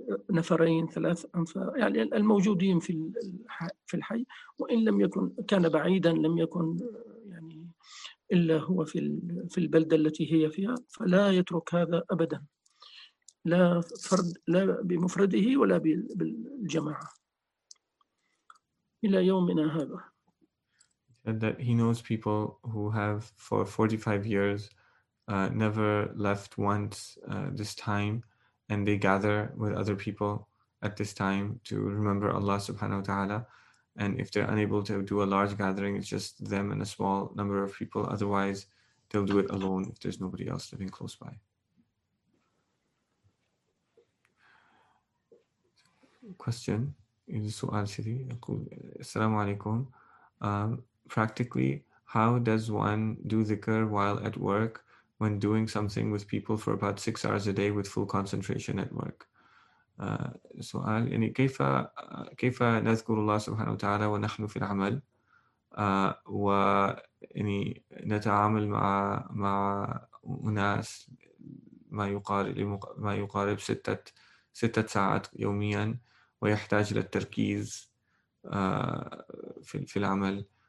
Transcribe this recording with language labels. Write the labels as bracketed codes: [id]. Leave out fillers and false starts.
[ar] نفرين ثلاث أنفار يعني الموجودين في الحي، وإن لم يكن كان بعيدا لم يكن يعني إلا هو في البلدة التي هي فيها، فلا يترك هذا أبدا، لا فرد لا بمفرده ولا بالجماعة إلى يومنا هذا. [en] And that he knows people who have for 45 years never left once this time, and they gather with other people at this time to remember Allah subhanahu wa ta'ala. And if they're unable to do a large gathering, it's just them and a small number of people. Otherwise, they'll do it alone if there's nobody else living close by. Question is Su'al Siri. Assalamu alaikum. Practically, how does one do dhikr while at work when doing something with people for about 6 hours a day with full concentration at work? [ar] So, يعني كيف نذكر الله سبحانه وتعالى ونحن في العمل ويعني نتعامل مع أناس ما يقارب ستة ساعات يوميا ويحتاج للتركيز في العمل.